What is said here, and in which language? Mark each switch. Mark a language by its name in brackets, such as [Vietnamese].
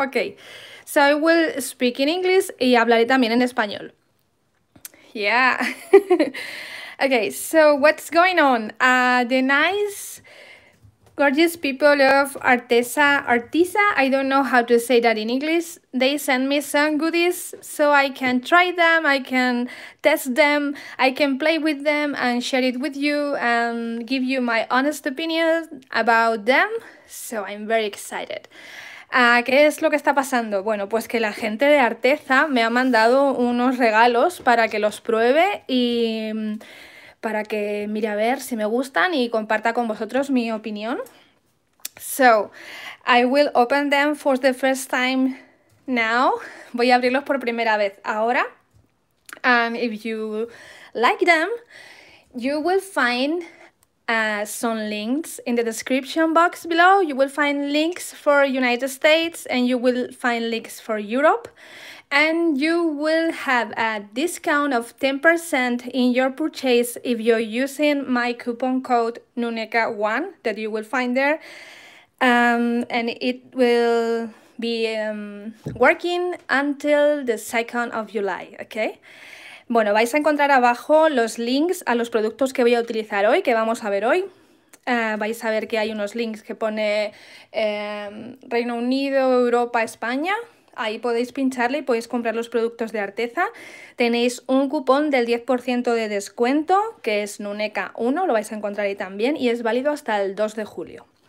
[English] Okay, so I will speak in English [Spanish] y hablaré también en español. [English] Yeah. Okay, so what's going on? The nice, gorgeous people of ARTEZA, I don't know how to say that in English. They send me some goodies so I can try them, I can test them, I can play with them and share it with you and give you my honest opinion about them. So I'm very excited. [Spanish] ¿Qué es lo que está pasando? Bueno, pues que la gente de ARTEZA me ha mandado unos regalos para que los pruebe y para que mire a ver si me gustan y comparta con vosotros mi opinión. [English] So, I will open them for the first time now. [Spanish] Voy a abrirlos por primera vez ahora. [English] And if you like them, you will find some links in the description box below. You will find links for United States and you will find links for Europe. And you will have a discount of 10% in your purchase if you're using my coupon code NUNECA1 that you will find there. And it will be working until the 2nd of July, okay? [Spanish] Bueno, vais a encontrar abajo los links a los productos que voy a utilizar hoy, que vamos a ver hoy. Vais a ver que hay unos links que pone Reino Unido, Europa, España. Ahí podéis pincharle y podéis comprar los productos de Arteza. Tenéis un cupón del 10% de descuento, que es NUNECA1, lo vais a encontrar ahí también, y es válido hasta el 2 de julio.